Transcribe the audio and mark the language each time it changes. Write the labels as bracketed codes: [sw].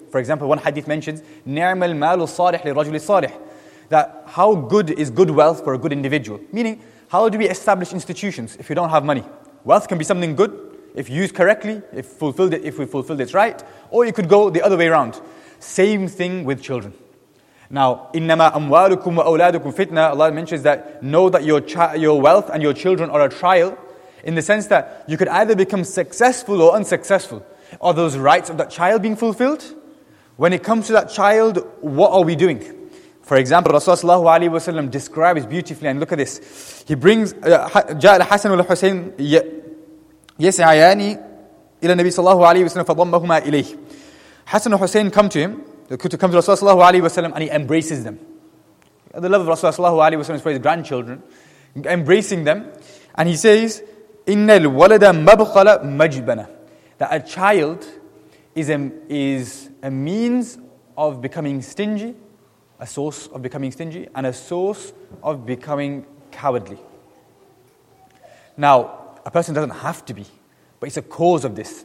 [en] For example, one hadith mentions [ar] نِعْمَ الْمَالُ الصَّالِحِ لِرَجُلِ الصَّالِحِ. [en] That how good is good wealth for a good individual? Meaning, how do we establish institutions if you don't have money? Wealth can be something good if used correctly, if we fulfilled it right, or you could go the other way around. Same thing with children. Now, [ar] إِنَّمَا أَمْوَالُكُمْ وَأَوْلَادُكُمْ فِتْنَةً. [en] Allah mentions that know that your wealth and your children are a trial, in the sense that you could either become successful or unsuccessful. Are those rights of that child being fulfilled? When it comes to that child, what are we doing? For example, Rasulullah ﷺ describes beautifully, and look at this. He brings, [ar] جَاءَ الْحَسَنُ وَالْحُسَيْنُ يَسْعَيَانِ إِلَى النَّبِي صَلَّهُ عَلَيْهِ وَسَلَّمَ فَضَمَّهُمَا إِلَيْهِ. [en] Hassan and Hussein come to Rasulullah sallallahu alayhi wa sallam, and he embraces them. The love of Rasulullah sallallahu alayhi wa sallam is for his grandchildren, embracing them. And he says, [ar] إِنَّ الْوَلَدَ مَبْخَلَ مَجْبَنَ. [en] That a child is a means of becoming stingy, a source of becoming stingy, and a source of becoming cowardly. Now, a person doesn't have to be. But it's a cause of this.